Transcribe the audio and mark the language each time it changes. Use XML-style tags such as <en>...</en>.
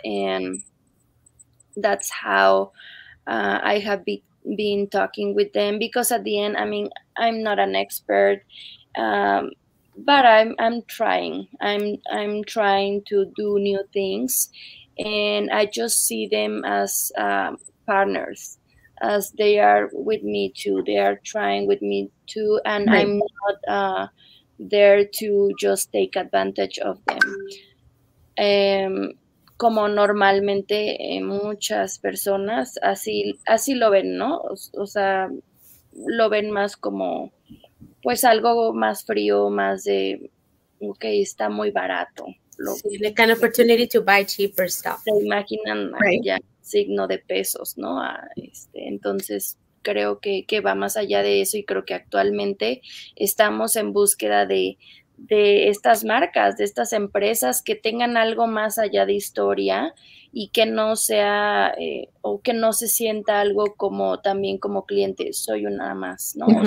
<en>And that's how I have been talking with them, because at the end, I mean, I'm not an expert, but I'm trying to do new things, and I just see them as partners. As they are with me too, they are trying with me too, and right. I'm not there to just take advantage of them.</en> <es>Como normalmente muchas personas así lo ven, ¿no? O sea, lo ven más como pues algo más frío, más de que okay, está muy barato.</es> <en>The kind of opportunity to buy cheaper stuff.</en> <es>Se imaginan,</es> <en>right.</en> <es>Ya. Signo de pesos, ¿no? Entonces creo que va más allá de eso, y creo que actualmente estamos en búsqueda de estas marcas, de estas empresas que tengan algo más allá de historia y que no sea o que no se sienta algo como también como cliente, soy una más, ¿no? Uh-huh.</es>